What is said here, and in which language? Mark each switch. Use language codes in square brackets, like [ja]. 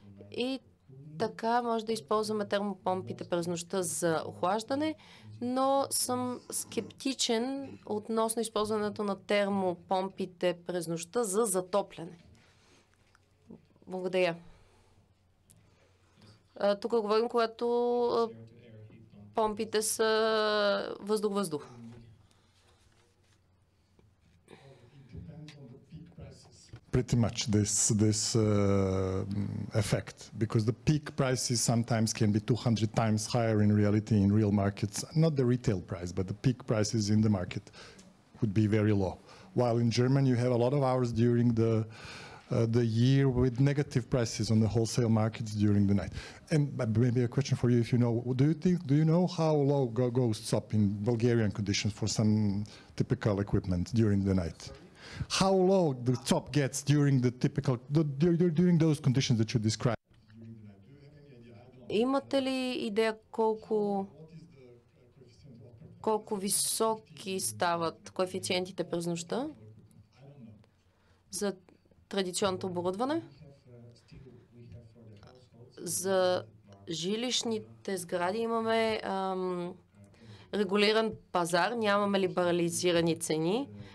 [bg] И така може да използваме термопомпите през нощта за охлаждане, но съм скептичен относно използването на термопомпите през нощта за затопляне. Благодаря. Тук говорим, когато помпите са въздух-въздух. [en] pretty much this effect, because the peak prices sometimes can be 200 times higher in reality in real markets, not the retail price, but the peak prices in the market would be very low. While in Germany, you have a lot of hours during the year with negative prices on the wholesale markets during the night. And maybe a question for you, if you know, do you know how low goes SOP in Bulgarian conditions for some typical equipment during the night? How low the top gets during the typical during those conditions that you described? [bg] Имате ли идея колко високи стават коефициентите през нощта за традиционното оборудване? За жилищните сгради имаме регулиран пазар, нямаме либерализирани цени.